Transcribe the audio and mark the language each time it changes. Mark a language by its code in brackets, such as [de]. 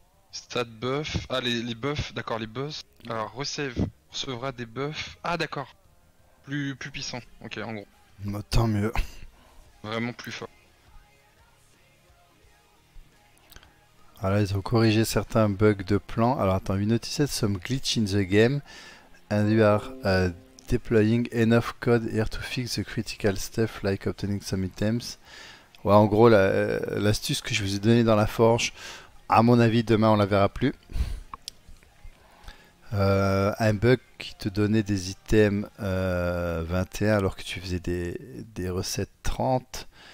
[fr] Stat buff. Ah, les buffs, d'accord, les buffs. Alors, recevra des buffs. Ah, d'accord. Plus puissant. Ok, en gros. Bah, tant mieux. Vraiment plus fort. Alors, ils ont corrigé certains bugs de plan. Alors, attends, [en] we noticed some glitch in the game and we are deploying enough code here to fix the critical stuff like obtaining some items. [fr] Ouais, en gros, l'astuce que je vous ai donnée dans la forge, à mon avis, demain, on la verra plus. Un bug qui te donnait des items 21 alors que tu faisais des recettes 30.